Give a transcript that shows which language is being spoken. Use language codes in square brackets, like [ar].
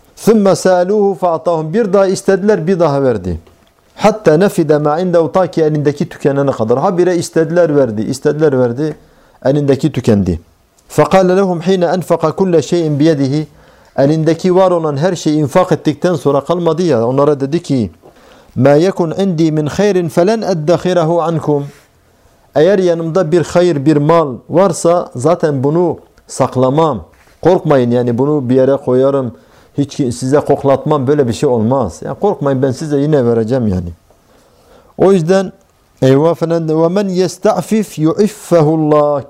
[ar] Thumme se'eluhu fa'atahum. [tr] Bir daha istediler, bir daha verdi. Hatta nefide ma'indev ta ki elindeki tükenene kadar. Habire istediler, verdi. İstediler, verdi. Elindeki tükendi. [ar] فَقَالَ لَهُمْ حِينَ أَنْفَقَ كُلَّ شَيْءٍ بِيَدِهِ. [tr] Elindeki var olan her şeyi infak ettikten sonra kalmadı ya. Onlara dedi ki [ar] مَا يَكُنْ عِنْدِي مِنْ خَيْرٍ فَلَنْ أَدَّخِرَهُ عَنْكُمْ. [tr] Eğer yanımda bir hayır, bir mal varsa zaten bunu saklamam. Korkmayın yani, bunu bir yere koyarım, hiç size koklatmam, böyle bir şey olmaz. Yani korkmayın, ben size yine vereceğim yani. O yüzden eyvah efendim. [ar] وَمَنْ يَسْتَعْفِفْ يُعِفَّهُ اللّٰهِ.